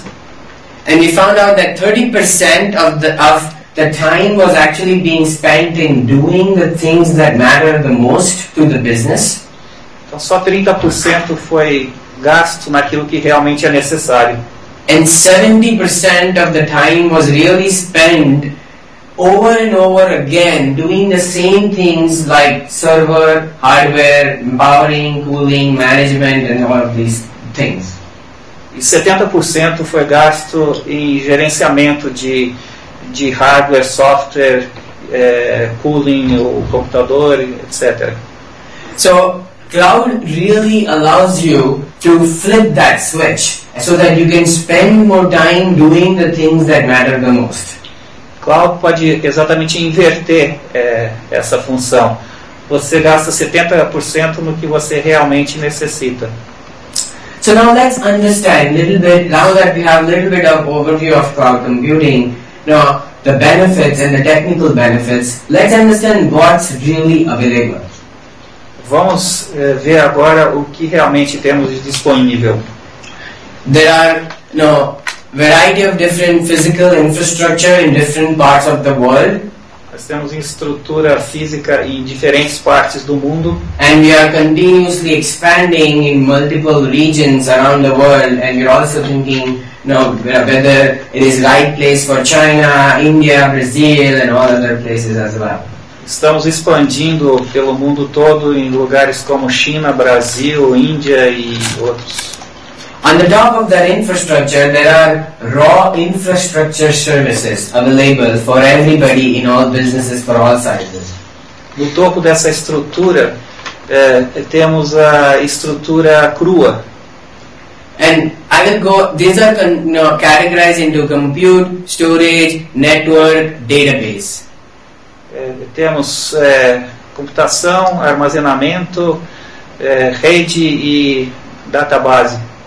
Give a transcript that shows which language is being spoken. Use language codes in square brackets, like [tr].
[en] And we found out that 30% of the time was actually being spent in doing the things that matter the most to the business. [pt] Então, só 30% foi gasto naquilo que realmente é necessário. [en] And 70% of the time was really spent over and over again doing the same things like server, hardware, powering, cooling, management and all of these things. [pt] E 70% foi gasto em gerenciamento de hardware, software, cooling, o computador, etc. [en] So, cloud really allows you to flip that switch so that you can spend more time doing the things that matter the most. [pt] Cloud pode exatamente inverter essa função. Você gasta 70% no que você realmente necessita. [en] So now let's understand a little bit, now that we have a little bit of overview of cloud computing, now the benefits and the technical benefits, let's understand what's really available. [pt] Vamos ver agora o que realmente temos de disponível. [en] There are variety of different physical infrastructure in different parts of the world. [pt] Nós temos estrutura física em diferentes partes do mundo. [en] And we are continuously expanding in multiple regions around the world. And we're also thinking, whether it is right place for China, India, Brazil, and all other places as well. [pt] Estamos expandindo pelo mundo todo em lugares como China, Brasil, Índia e outros. [en] On the top of that infrastructure, there are raw infrastructure services available for everybody in all businesses for all sizes. [pt] No topo dessa estrutura, temos a estrutura crua. [en] And I will go, these are categorized into compute, storage, network, database. [pt] Temos computação, armazenamento, rede e database.